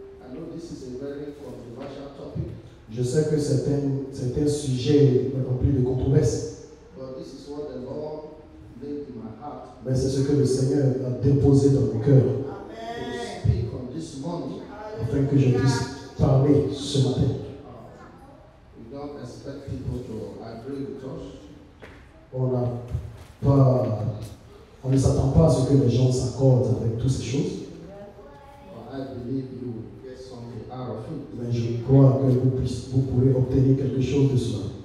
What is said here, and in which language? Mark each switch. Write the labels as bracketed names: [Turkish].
[English] I know this is a very controversial topic. [French] Je sais que c'est un sujet un peu de controverse. [English] But this is what the Lord laid in my heart. [French] Mais c'est ce que le Seigneur a déposé dans mon cœur. [English] Amen. To speak on this morning, [French] afin que je puisse parler ce matin. [English] We don't expect people to agree with us. [French] On ne s'attend pas à ce que les gens s'accordent avec toutes ces choses. Mais je crois que vous pourrez obtenir quelque chose de cela.